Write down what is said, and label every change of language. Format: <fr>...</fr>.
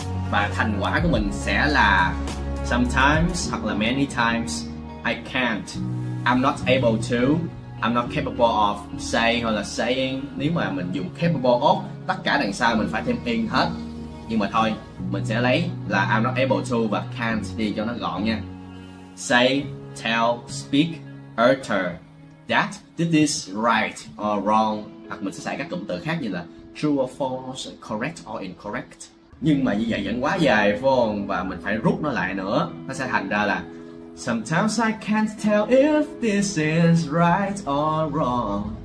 <vi>Và thành quả của mình sẽ là</vi> <en>sometimes hoặc là many times, I can't, I'm not able to, I'm not capable of, say hoặc là saying.</en> <vi>Nếu mà mình dùng capable of, tất cả đằng sau mình phải thêm in hết. Nhưng mà thôi, mình sẽ lấy là I'm not able to và can't đi cho nó gọn nha.</vi> <en>Say, tell, speak, utter that this is right or wrong.</en> <vi>Hoặc mình sẽ xài các cụm từ khác như là</vi> <en>true or false, correct or incorrect.</en> <vi>Nhưng mà như vậy vẫn quá dài phải không? Và mình phải rút nó lại nữa. Nó sẽ thành ra là</vi> <en>sometimes I can't tell if this is right or wrong.</en>